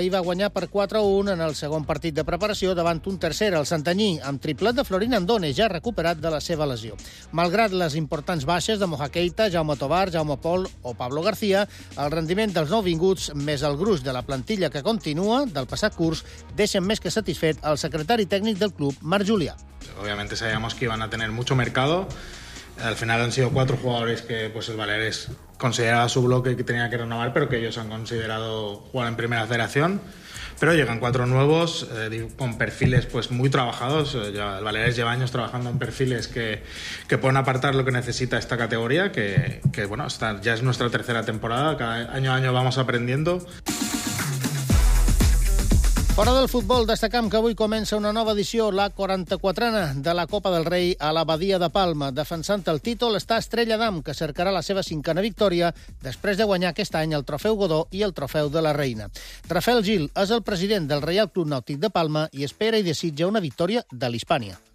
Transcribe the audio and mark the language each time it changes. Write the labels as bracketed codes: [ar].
[ca] Ahir va guanyar per 4-1 en el segon partit de preparació davant un tercer, el Santanyí, amb triplet de Florin Andone, ja recuperat de la seva lesió. Malgrat les importants baixes de Moja Keita, Jaume Tovar, Jaume Pol o Pablo García, el rendiment dels nouvinguts, més el gruix de la plantilla que continua del passat curs, deixen més que satisfet el secretari tècnic del club, Marc Julià. [es] Obviamente sabíamos que iban a tener mucho mercado. Al final han sido cuatro jugadores que pues el Balears consideraba su bloque que tenía que renovar, pero que ellos han considerado jugar en primera federación. Pero llegan cuatro nuevos con perfiles pues muy trabajados. El Balears lleva años trabajando en perfiles que pueden apartar lo que necesita esta categoría, que bueno, ya es nuestra tercera temporada, cada año a año vamos aprendiendo. [ca] Fora del futbol, destacam que avui comença una nova edició, la 44ª de la Copa del Rei a l'Abadia de Palma. Defensant el títol està Estrella Damm, que cercarà la seva cinquena victòria després de guanyar aquest any el Trofeu Godó i el Trofeu de la Reina. Rafael Gil és el president del Reial Club Nàutic de Palma i espera i desitja una victòria de l'Hispània.